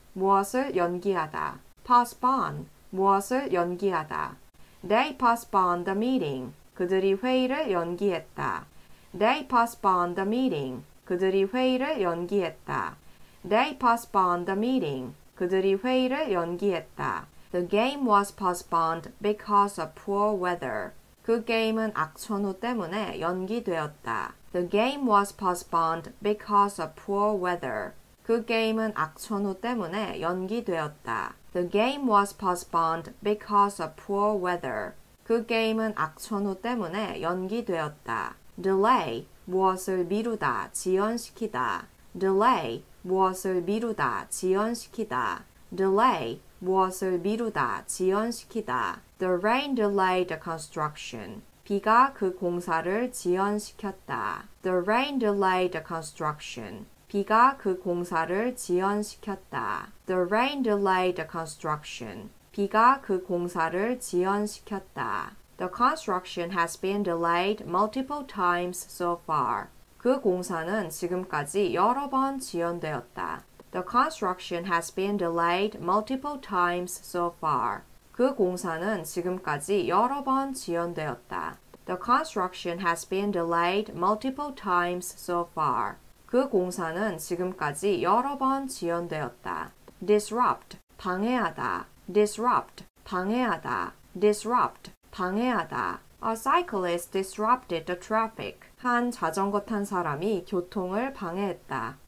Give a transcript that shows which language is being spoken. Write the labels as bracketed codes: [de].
[ko] 무엇을 연기하다. Postpone. 무엇을 연기하다. [en] They postponed the meeting. [ko] 그들이 회의를 연기했다. [en] They postponed the meeting. [ko] 그들이 회의를 연기했다. [en] They postponed the meeting. [ko] 그들이 회의를 연기했다. [en] The game was postponed because of poor weather. [ko] 그 게임은 악천후 때문에 연기되었다. [en] The game was postponed because of poor weather. [ko] 그 게임은 악천후 때문에 연기되었다. [en] The game was postponed because of poor weather. [ko] 그 게임은 악천후 때문에 연기되었다. [en] Delay. [ko] 무엇을 미루다, 지연시키다. [en] Delay. [ko] 무엇을 미루다, 지연시키다. [en] Delay. [ko] 무엇을 미루다, 지연시키다. [en] The rain delayed the construction. [ko] 비가 그 공사를 지연시켰다. [en] The rain delayed the construction. [ko] 비가 그 공사를 지연시켰다. [en] The rain delayed the construction. [ko] 비가 그 공사를 지연시켰다. [en] The construction has been delayed multiple times so far. [ko] 그 공사는 지금까지 여러 번 지연되었다. [en] The construction has been delayed multiple times so far. [ko] 그 공사는 지금까지 여러 번 지연되었다. [en] The construction has been delayed multiple times so far. [ko] 그 공사는 지금까지 여러 번 지연되었다. Disrupt. 방해하다. Disrupt. 방해하다. Disrupt. 방해하다. [en] A cyclist disrupted the traffic. [ko] 한 자전거 탄 사람이 교통을 방해했다.